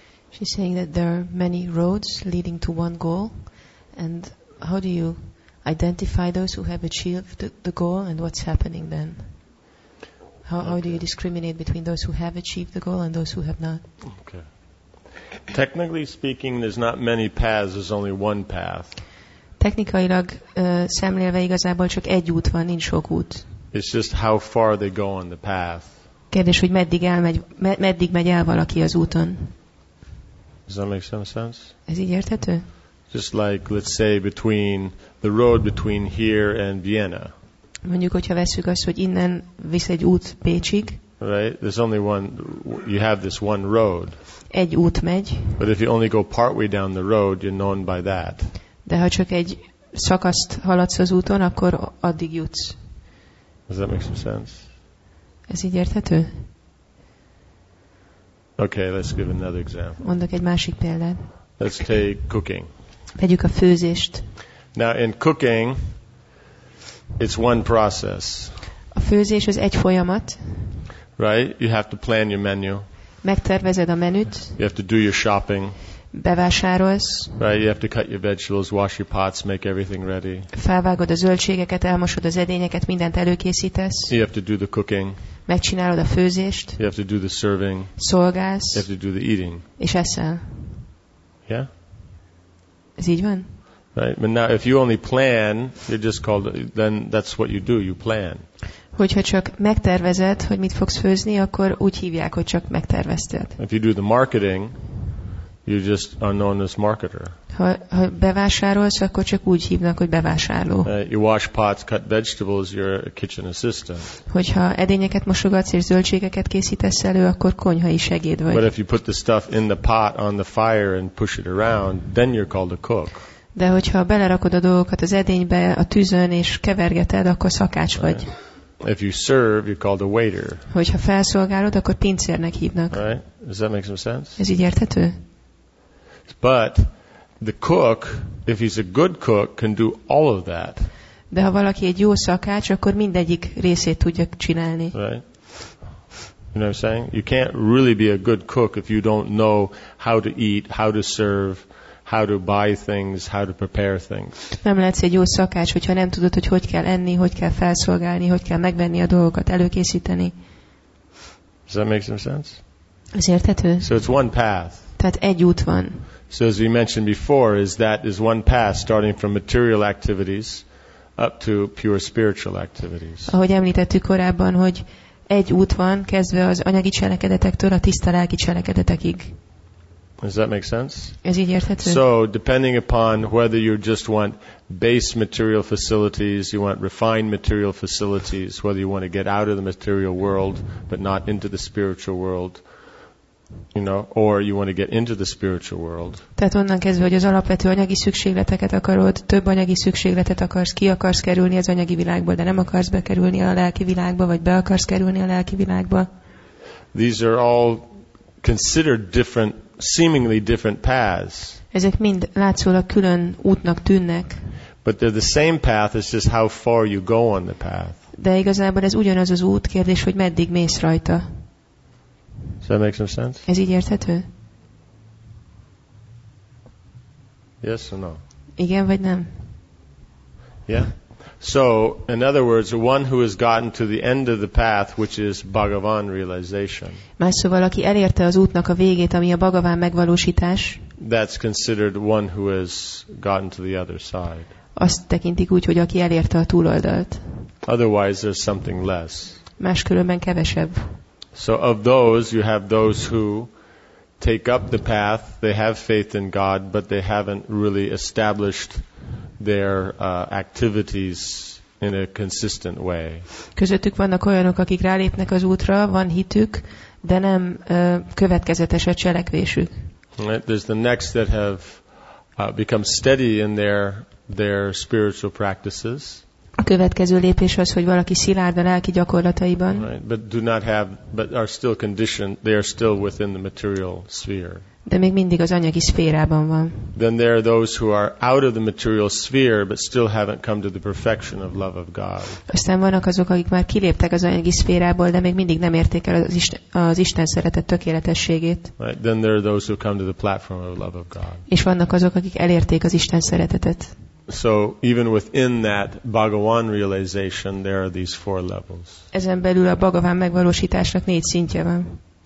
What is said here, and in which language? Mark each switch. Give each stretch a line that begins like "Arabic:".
English: He's saying that there are many roads leading to one goal, and how do you identify those who have achieved the goal, and what's happening then? How do you discriminate between those who have achieved the goal and those who have not? Okay. Technically speaking, there's not many paths, there's only one path.
Hungarian: Technikailag szemlélve igazából csak egy út van, nincs sok út.
English: It's just how far they go on the path.
Hungarian: Kérdés, hogy meddig megy el valaki az úton.
English: Does that make some sense?
Hungarian: Ez így érthető?
English: Just like, let's say, between the road between here and Vienna.
Hungarian: Mondjuk, hogyha veszük azt, hogy innen visz egy út Bécsig.
English: Right? There's only one. You have this one road.
Hungarian: Egy út megy.
English: But if you only go partway down the road, you're known by that.
Hungarian: De ha csak egy szakaszt haladsz az úton, akkor addig jutsz.
English: Does that make some sense?
Hungarian: Ez így érthető?
English: Okay, let's give another example.
Hungarian: Mondok egy másik példát.
English: Let's take cooking.
Hungarian: Vegyük a főzést.
English: Now in cooking, it's one process.
Hungarian: A főzés az egy folyamat.
English: Right? You have to plan your menu.
Hungarian: Megtervezed a menüt.
English: You have to do your shopping.
Hungarian: Bevásárolsz.
English: Right? You have to cut your vegetables, wash your pots, make everything ready.
Hungarian: Felvágod a zöldségeket, elmosod az edényeket, mindent előkészítesz.
English: You have to do the cooking.
Hungarian: Megcsinálod a főzést.
English: You have to do the serving.
Hungarian: Szolgálsz.
English: You have to do the eating.
Hungarian: És eszel.
English: Yeah?
Hungarian: Ez így van?
English: Right? But now, if you only plan, you're just called, then that's what you do, you plan.
Hungarian: Hogyha csak megtervezed, hogy mit fogsz főzni, akkor úgy hívják, hogy csak megtervezted.
English: If you do the marketing, you're just unknown as marketer.
Hungarian: Ha bevásárolsz, akkor csak úgy hívnak, hogy bevásárló.
English: You wash pots, cut vegetables, you're a kitchen assistant.
Hungarian: Hogyha edényeket mosogatsz és zöldségeket készítesz elő, akkor konyhai segéd vagy.
English: But if you put the stuff in the pot on the fire and push it around, then you're called a cook.
Hungarian: De hogyha belerakod a dolgokat az edénybe, a tűzön és kevergeted, akkor szakács vagy.
English: Right. If you serve, you're called a waiter.
Hungarian: Hogyha felszolgálod, akkor pincérnek hívnak.
English: Right? Does that make some sense?
Hungarian: Ez így érthető?
English: But the cook, if he's a good cook, can do all of that.
Hungarian: De ha valaki egy jó szakács, akkor mindegyik részét tudja csinálni.
English: Right? You know what I'm saying? You can't really be a good cook if you don't know how to eat, how to serve, how to buy things, how to prepare things.
Hungarian: Nem lehetsz egy jó szakács, hogyha nem tudod, hogy hogy kell enni, hogy kell felszolgálni, hogy kell megvenni a dolgokat, előkészíteni.
English: Does that make some sense?
Hungarian: Ez érthető?
English: So it's one path.
Hungarian: Tehát egy út van.
English: So as we mentioned before, is that is one path starting from material activities up to pure spiritual activities.
Hungarian: Ahogy említettük korábban, hogy egy út van, kezdve az anyagi cselekedetektől a tiszta lelki cselekedetekig.
English: Does that make sense?
Hungarian: Ez így érthető?
English: So, depending upon whether you just want base material facilities, you want refined material facilities, whether you want to get out of the material world but not into the spiritual world, you know, or you want to get into the spiritual world.
Hungarian: Tehát onnan kezdve, hogy az alapvető anyagi szükségleteket akarod, több anyagi szükségletet akarsz, ki akarsz kerülni az anyagi világból, de nem akarsz bekerülni a lelki világba, vagy be akarsz kerülni a lelki világba.
English: These are all considered different, seemingly different paths.
Hungarian: Ezek mind látszólag külön útnak tűnnek.
English: But they're the same path, it's just how far you go on the path.
Hungarian: De igazából ez ugyanaz az út, kérdés, hogy meddig mész rajta.
English: Does that make some sense?
Hungarian: Ez így érthető?
English: Yes or no?
Hungarian: Igen vagy nem?
English: Yeah. So, in other words, one who has gotten to the end of the path, which is Bhagavan realization.
Hungarian: Más szóval, aki elérte az útnak a végét, ami a Bhagavan megvalósítás.
English: That's considered one who has gotten to the other side.
Hungarian: Azt tekintik úgy, hogy aki elérte a túloldalt.
English: Otherwise, there's something less.
Hungarian: Máskülönben kevesebb.
English: So, of those, you have those who take up the path. They have faith in God, but they haven't really established their activities in a consistent way.
Hungarian: Közöttük vannak olyanok, akik rálépnek az útra, van hitük, de nem következetes a cselekvésük.
English: Right? There's the next that have become steady in their spiritual practices.
Hungarian: A következő lépés az, hogy valaki szilárd a lelki gyakorlataiban.
English: Right? But do not have, but are still conditioned, they are still within the material sphere.
Hungarian: De még mindig az anyagi szférában van.
English: Then there are those who are out of the material sphere but still haven't come to the perfection of love of God.
Hungarian: Aztán vannak azok, akik már kiléptek az anyagi szférából, de még mindig nem érték el az Isten szeretet tökéletességét.
English: Right. Then there are those who come to the platform of love of God.
Hungarian: És vannak azok, akik elérték az Isten szeretetet.
English: So even within that Bhagavan realization there are these four levels.
Hungarian: Ezen belül a Bhagavan megvalósításnak négy szintje van.